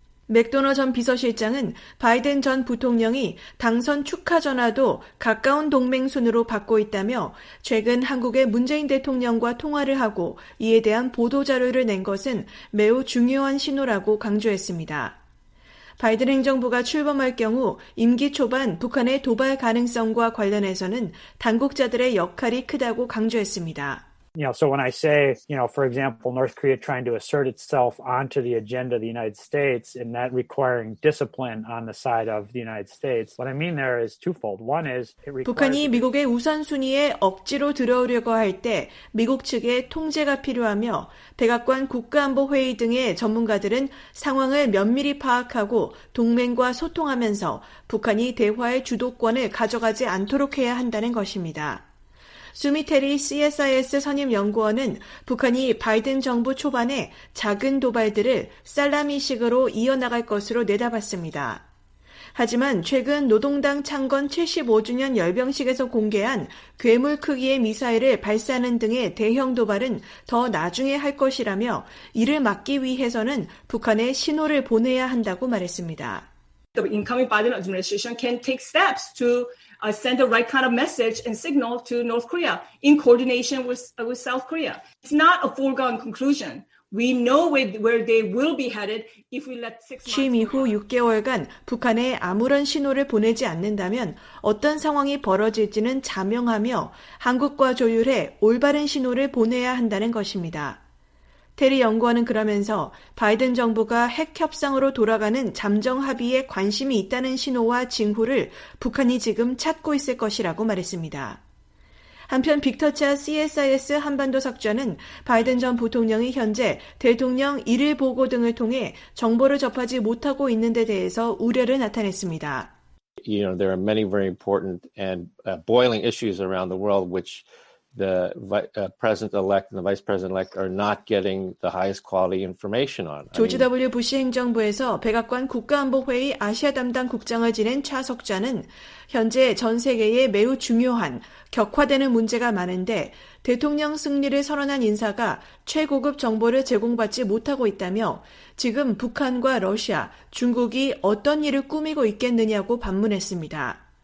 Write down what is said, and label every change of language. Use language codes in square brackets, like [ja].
[ko] 맥도너 전 비서실장은 바이든 전 부통령이 당선 축하 전화도 가까운 동맹 순으로 받고 있다며 최근 한국의 문재인 대통령과 통화를 하고 이에 대한 보도자료를 낸 것은 매우 중요한 신호라고 강조했습니다. 바이든 행정부가 출범할 경우 임기 초반 북한의 도발 가능성과 관련해서는 당국자들의 역할이 크다고 강조했습니다. [en] You know, so when I say, you know, for example, North Korea trying to assert itself onto the agenda of the United States and that requiring discipline on the side of the United States, what I mean there is twofold. One is it requires [ko] 북한이 미국의 우선순위에 억지로 들어오려고 할 때 미국 측의 통제가 필요하며 백악관 국가안보회의 등의 전문가들은 상황을 면밀히 파악하고 동맹과 소통하면서 북한이 대화의 주도권을 가져가지 않도록 해야 한다는 것입니다. 수미테리 CSIS 선임연구원은 북한이 바이든 정부 초반에 작은 도발들을 살라미식으로 이어나갈 것으로 내다봤습니다. 하지만 최근 노동당 창건 75주년 열병식에서 공개한 괴물 크기의 미사일을 발사하는 등의 대형 도발은 더 나중에 할 것이라며 이를 막기 위해서는 북한에 신호를 보내야 한다고 말했습니다. [en] The incoming Biden administration can take steps to send the right kind of message and signal to North Korea in coordination with South Korea. It's not a foregone conclusion. We know where they will be headed if we let 6 months. [ko] 취임 이후 6개월간 북한에 아무런 신호를 보내지 않는다면 어떤 상황이 벌어질지는 자명하며 한국과 조율해 올바른 신호를 보내야 한다는 것입니다. 테리 연구원은 그러면서 바이든 정부가 핵 협상으로 돌아가는 잠정 합의에 관심이 있다는 신호와 징후를 북한이 지금 찾고 있을 것이라고 말했습니다. 한편 빅터차 CSIS 한반도 석좌는 바이든 전 부통령이 현재 대통령 일일 보고 등을 통해 정보를 접하지 못하고 있는 데 대해서 우려를 나타냈습니다. [en] You know, there are many very important and boiling issues around the world which the president-elect and the vice president-elect are not getting the highest quality information on. [ko] 조지 W. 부시 행정부에서 백악관 국가안보회의 아시아 담당 국장을 지낸 차 석좌는 현재 전 세계에 매우 중요한 격화되는 문제가 많은데 대통령 승리를 선언한 인사가 최고급 정보를 제공받지 못하고 있다며 지금 북한과 러시아, 중국이 어떤 일을 꾸미고 있겠느냐고 반문했습니다.